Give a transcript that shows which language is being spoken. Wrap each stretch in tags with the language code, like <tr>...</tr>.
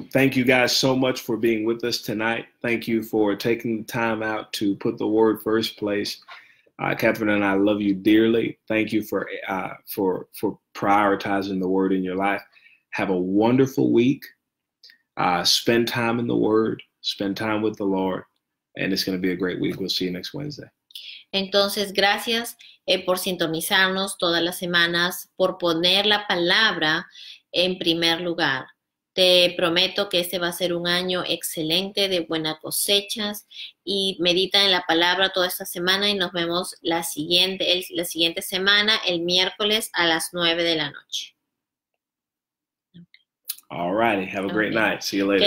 <en>Thank you guys so much for being with us tonight. Thank you for taking the time out to put the word first place. Catherine and I love you dearly. Thank you for prioritizing the word in your life. Have a wonderful week. Spend time in the word. Spend time with the Lord. And it's going to be a great week. We'll see you next Wednesday.</en> <es>Entonces, gracias por sintonizarnos todas las semanas, por poner la palabra en primer lugar. Te prometo que este va a ser un año excelente de buenas cosechas y medita en la palabra toda esta semana y nos vemos la siguiente semana, el miércoles a las 9 de la noche.</es> <en>All righty, have a great night. See you later.</en>